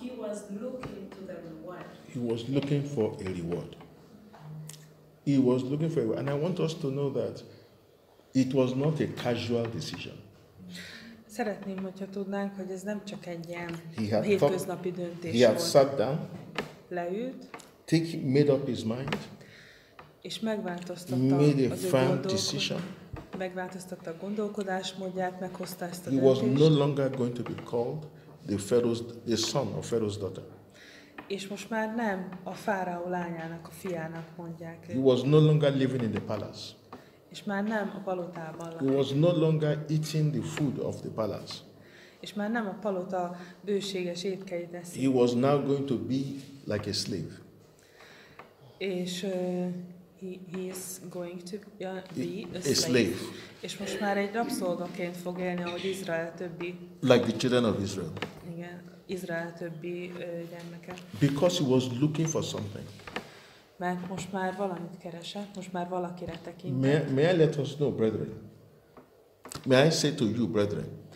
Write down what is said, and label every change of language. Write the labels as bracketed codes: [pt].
[en] For he was looking to the reward. He was looking for a reward. He was looking for a reward. And I want us to know that it was not a casual decision. [hu] Szeretném, hogyha tudnánk, hogy ez nem csak egy ilyen hétköznapi döntés volt. [en] He had sat down. [hu] Leült. [en] Made up his mind. [hu] És megváltoztatta az ő gondolkodásmódját. Megváltoztatta a gondolkodásmódját, meghozta ezt a döntést. [en] He was no longer going to be called the son of Pharaoh's daughter. [hu] És most már nem a fáraó lányának a fiának mondják. [en] He was no longer living in the palace. [hu] És már nem a palotában. [en] He was no longer eating the food of the palace. [hu] És már nem a palota bőséges étkeit eszi. [en] He was now going to be like a slave. És he is going to be a slave. [hu] És most már egy rabszolgaként fog élni, ahogy Izrael többi. [en] Like the children of Israel. [hu] Igen, Izrael többi gyermeke. [en] Because he was looking for something. [hu] Mert most már valamit keresett, most már valakire tekintett. [en] May I let us know, brethren? May I say to you, brethren?